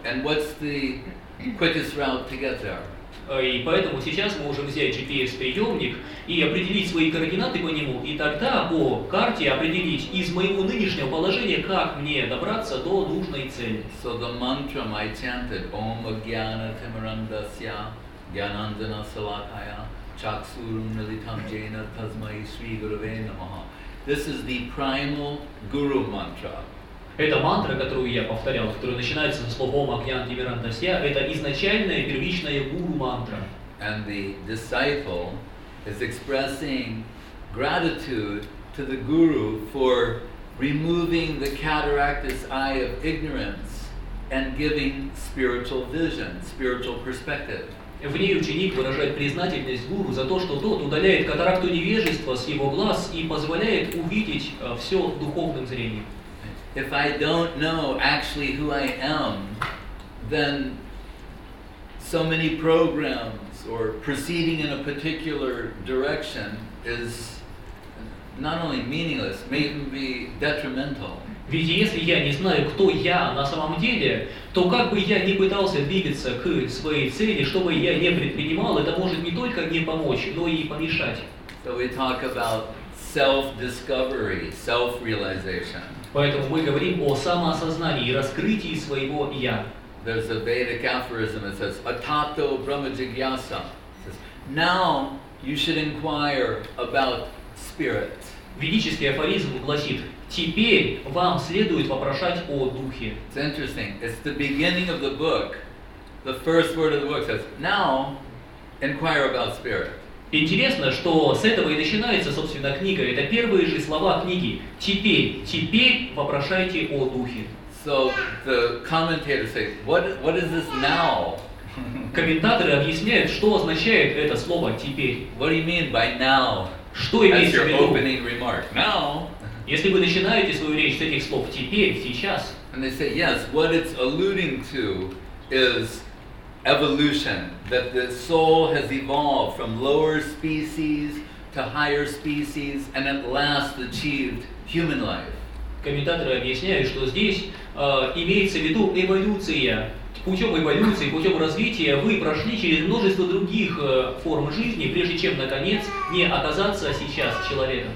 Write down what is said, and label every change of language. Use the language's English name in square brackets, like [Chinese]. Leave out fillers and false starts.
[English] And what's the quickest route to get there? [Russian] И поэтому сейчас мы можем взять GPS-приемник и определить свои координаты по нему, и тогда по карте определить из моего нынешнего положения, как мне добраться до нужной цели. [English] So the mantra I chanted, [Sanskrit] Om Agyana Timurandasya Gyanandana Salakaya Chaksurum Nilitam Jena Tasmai Sri Gurave Namaha. [English] This is the primal guru mantra. [Russian] Эта мантра, которую я повторял, которая начинается со слова «Агьян Тимирандасья», это изначальная, первичная гуру-мантра. [English] And the disciple is expressing gratitude to the guru for removing the cataractous eye of ignorance and giving spiritual vision, spiritual perspective. [Russian] В ней ученик выражает признательность гуру за то, что тот удаляет катаракту невежества с его глаз и позволяет увидеть все духовным зрением. [English] If I don't know actually who I am, then so many programs or proceeding in a particular direction is not only meaningless, may even be detrimental. [Russian] Ведь если я не знаю, кто я на самом деле, то как бы я ни пытался двигаться к своей цели, что бы я ни предпринимал, это может не только не помочь, но и помешать. [English] So we talk about self-discovery, self-realization. [Russian] Поэтому мы говорим о самоосознании и раскрытии своего «я». [English] There's a Vedic aphorism that says, [Sanskrit] Atato Brahma Jigyasa. [English] It says, now you should inquire about spirit. [Russian] Ведический афоризм гласит, теперь вам следует вопрошать о духе. [English] It's interesting. It's the beginning of the book. The first word of the book says, now inquire about spirit. [Russian] Интересно, что с этого и начинается, собственно, книга. Это первые же слова книги. Теперь вопрошайте о духе. [English] So the commentators say, what is this now? [Russian] Комментаторы объясняют, что означает это слово теперь. [English] What do you mean by now? [Russian] Что имеется в виду? [English] As your opening remark. Now. [Russian] Если вы начинаете свою речь с этих слов теперь, сейчас. [English] And they say, yes, what it's alluding to is evolution, that the soul has evolved from lower species to higher species and at last achieved human life. [Russian] Комментаторы объясняют, что здесь имеется в виду эволюция. Путем эволюции, путем развития вы прошли через множество других форм жизни, прежде чем, наконец, не оказаться сейчас человеком.